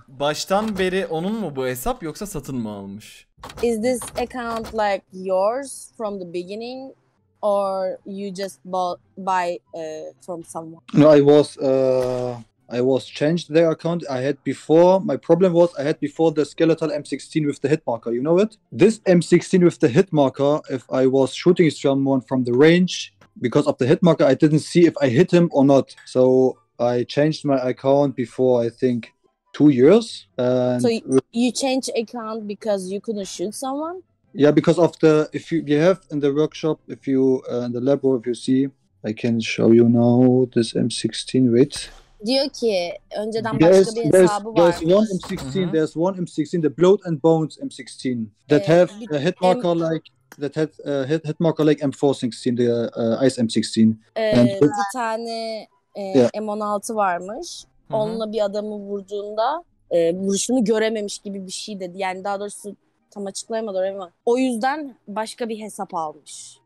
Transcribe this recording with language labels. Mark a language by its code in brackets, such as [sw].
[tr] Baştan beri onun mu bu hesap yoksa satın mı almış? [en] Is this account like yours from the beginning? Or you just buy from someone? No, I was changed their account. I had before. My problem was I had before the skeletal M16 with the hit marker. You know it. This M16 with the hit marker. If I was shooting someone from the range, because of the hit marker, I didn't see if I hit him or not. So I changed my account before. I think 2 years. And so you change account because you couldn't shoot someone? Yeah, because of the if you have in the workshop, if you in the lab, if you see, I can show you now this M16. Wait. [tr] Diyor ki, önceden başka bir hesabı varmış. [en] There's one M16. Uh-huh. There's one M16. The Blood and Bones M16 that have a hit marker hit marker like M416, the ice M16. [tr] Bir tane M16 varmış. Uh-huh. Onunla bir adamı vurduğunda vuruşunu görememiş gibi bir şey dedi. Yani daha doğrusu. Tam açıklayamadı ama o yüzden başka bir hesap almış.